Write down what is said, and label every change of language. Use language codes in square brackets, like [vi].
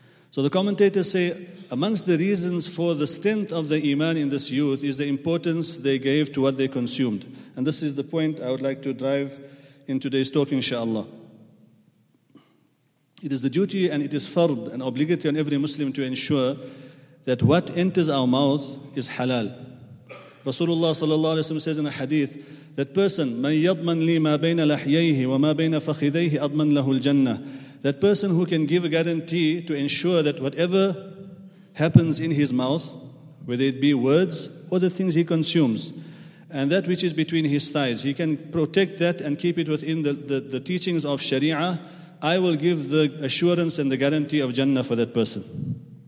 [en] So the commentators say, amongst the reasons for the strength of the iman in this youth is the importance they gave to what they consumed. And this is the point I would like to drive in today's talk, inshallah. It is the duty and it is fard and obligatory on every Muslim to ensure that what enters our mouth is halal. Rasulullah sallallahu alayhi wa sallam says in a hadith, that person, [ar] مَنْ يَضْمَنْ لِي مَا بَيْنَ لَحْيَيْهِ وَمَا بَيْنَ فَخِذَيْهِ أَضْمَنْ لَهُ الْجَنَّةِ. [en] That person who can give a guarantee to ensure that whatever happens in his mouth, whether it be words or the things he consumes, and that which is between his thighs, he can protect that and keep it within the teachings of Sharia, I will give the assurance and the guarantee of Jannah for that person.